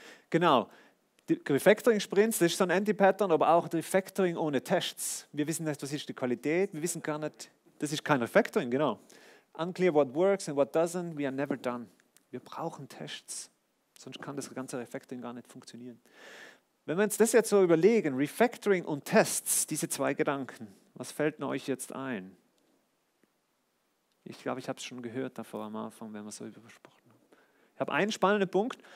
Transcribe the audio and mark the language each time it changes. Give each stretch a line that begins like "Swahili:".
German: Genau. Die Refactoring-Sprints, das ist so ein Anti-Pattern, aber auch Refactoring ohne Tests. Wir wissen nicht, was ist die Qualität, wir wissen gar nicht, das ist kein Refactoring, genau.
English: Unclear what works and what doesn't, we are never done.
German: Wir brauchen Tests, sonst kann das ganze Refactoring gar nicht funktionieren. Wenn wir uns das jetzt so überlegen, Refactoring und Tests, diese 2 Gedanken, was fällt denn euch jetzt ein? Ich glaube, ich habe es schon gehört davor am Anfang, wenn wir so übersprochen haben. Ich habe einen spannenden Punkt.